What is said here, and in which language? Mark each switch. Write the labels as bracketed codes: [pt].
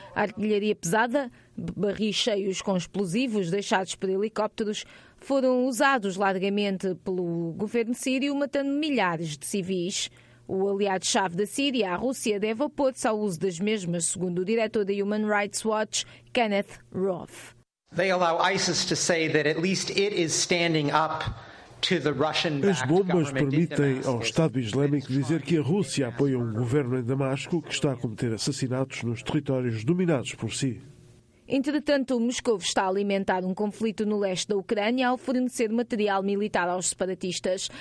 [pt] A artilharia pesada, barris cheios com explosivos deixados por helicópteros, foram usados largamente pelo governo sírio, matando milhares de civis. O aliado-chave da Síria, a Rússia, deve opor-se ao uso das mesmas, segundo o diretor da Human Rights Watch, Kenneth Roth. [en] They allow ISIS to say that at least it is standing up. [pt] As bombas permitem ao Estado Islâmico dizer que a Rússia apoia um governo em Damasco que está a cometer assassinatos nos territórios dominados por si. Entretanto, Moscou está a alimentar um conflito no leste da Ucrânia ao fornecer material militar aos separatistas.